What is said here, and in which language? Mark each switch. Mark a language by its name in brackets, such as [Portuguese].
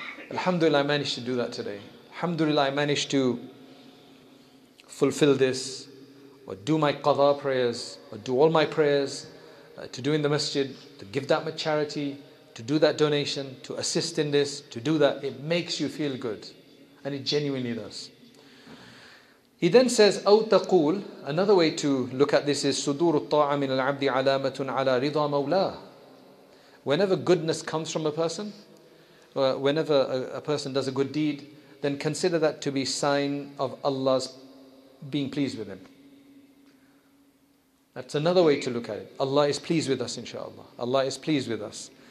[English] Alhamdulillah, I managed to do that today. Alhamdulillah, I managed to fulfill this, or do my qadha prayers, or do all my prayers, to do in the masjid, to give that much charity, to do that donation, to assist in this, to do that. It makes you feel good. And it genuinely does. He then says, [Arabic] أَوْ تَقُولُ. [English] Another way to look at this is, [Arabic] صُدُورُ الطَّاعَ مِنَ الْعَبْدِ عَلَامَةٌ عَلَىٰ رِضَى مَوْلَاهُ. [English] Whenever goodness comes from a person, whenever a person does a good deed, then consider that to be a sign of Allah's being pleased with him. That's another way to look at it. Allah is pleased with us, inshaAllah. Allah is pleased with us.